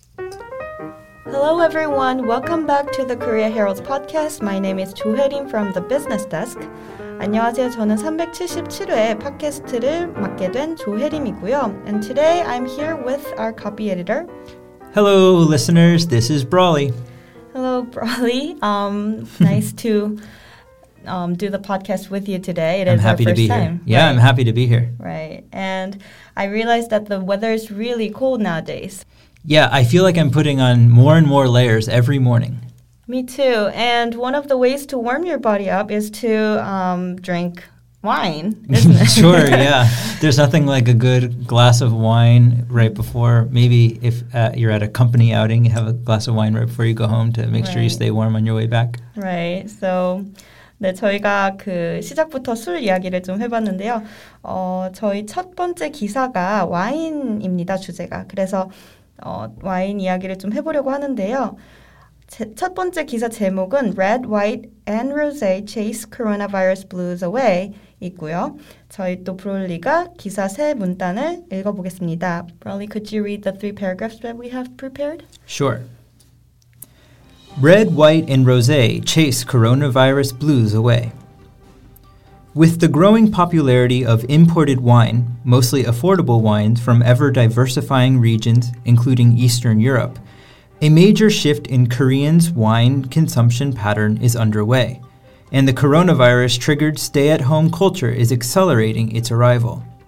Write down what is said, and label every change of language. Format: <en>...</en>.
<en>Hello everyone, welcome back to the Korea Herald's podcast. My name is 조혜림 from the business desk.</en> <ko>안녕하세요. 저는 377회 팟캐스트를 맡게 된 조혜림이고요.</ko> <en>And today I'm here with our copy editor. Hello listeners, this is Brawley. Hello Brawley. Nice to do the podcast with you today. It is our first time. Yeah, right. I'm happy to be here. Right. And I realized that the weather is really cold nowadays. Yeah, I feel like I'm putting on more and more layers every morning. Me too. And one of the ways to warm your body up is to drink wine, isn't it? Sure, yeah. There's nothing like a good glass of wine right before. Maybe if you're at a company outing, you have a glass of wine right before you go home to make sure you stay warm on your way back. Right. So,</en> <ko>네, 저희가 그 시작부터 술 이야기를 좀 해봤는데요. 저희 첫 번째 기사가 와인입니다, 주제가. 그래서 와인 이야기를 좀 해보려고 하는데요. 첫 번째 기사 제목은</ko> <en>Red, White, and Rosé Chase Coronavirus Blues Away</en> <ko>있고요. 저희 또 브롤리가 기사 세 문단을 읽어보겠습니다.</ko> <en>Brawley, could you read the three paragraphs that we have prepared? Sure. Red, White, and Rosé Chase Coronavirus Blues Away. With the growing popularity of imported wine, mostly affordable wines from ever-diversifying regions, including Eastern Europe, a major shift in Koreans' wine consumption pattern is underway, and the coronavirus-triggered stay-at-home culture is accelerating its arrival.</en>